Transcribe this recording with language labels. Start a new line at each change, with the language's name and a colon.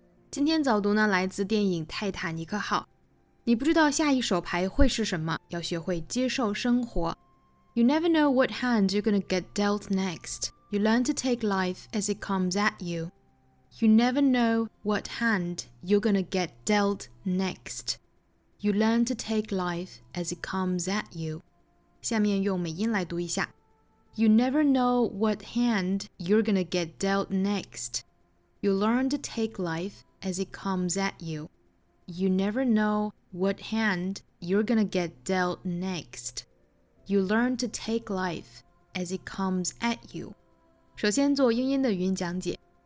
Chinese: 今天早读呢，来自电影《泰坦尼克号》。你不知道下一手牌会是什么，要学会接受生活。
English: You never know what hand you're gonna get dealt next. You learn to take life as it comes at you. You never know what hand you're gonna get dealt next. You learn to take life as it comes at you.
Chinese: 下面用美音来读一下。
English: You never know what hand you're gonna get dealt next. You learn to take life as it comes at you. You never know what hand you're gonna get dealt next. You learn to take life as it comes at you.
Chinese: 首先做英音的语音讲解。